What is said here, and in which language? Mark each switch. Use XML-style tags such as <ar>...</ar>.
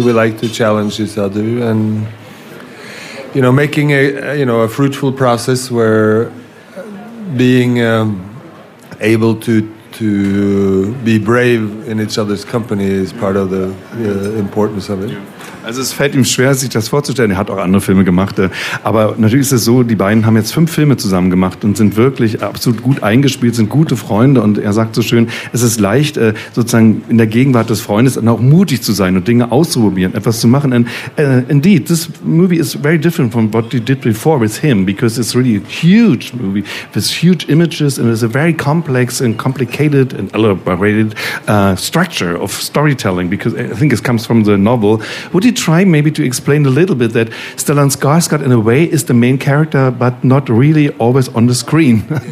<en>We like to challenge each other. And, you know, making a fruitful process where being able to be brave in each other's company is part of the importance of it.</en> <de>Also es fällt ihm schwer, sich das vorzustellen. Er hat auch andere Filme gemacht. Aber natürlich ist es so, die beiden haben jetzt 5 Filme zusammen gemacht und sind wirklich absolut gut eingespielt, sind gute Freunde. Und er sagt so schön, es ist leicht, sozusagen in der Gegenwart des Freundes dann auch mutig zu sein und Dinge auszuprobieren, etwas zu machen.</de> <en>And indeed, this movie is very different from what you did before with him, because it's really a huge movie with huge images and it's a very complex and complicated and elaborated structure of storytelling, because I think it comes from the novel. Would you try maybe to explain a little bit that Stellan Skarsgård, in a way, is the main character, but not really always on the screen?</en>